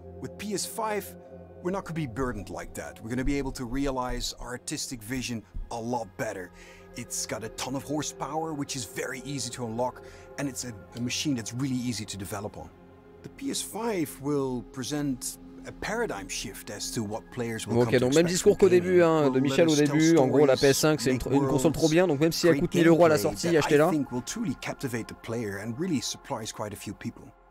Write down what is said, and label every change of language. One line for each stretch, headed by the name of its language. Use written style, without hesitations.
English: With PS5, we're not going to be burdened like that. We're going to be able to realize our artistic vision a lot better. It's got a ton of horsepower, which is very easy to unlock, and it's a machine that's really easy to develop on. The PS5 will present a paradigm shift as to what players will come to expect.
French: Même discours qu'au début hein, de Michel au début, en gros la PS5 c'est une console trop bien, donc même si elle coûte 1000€ à la sortie, achetez-la.
English: I think will truly captivate the player and really surprise quite a few people.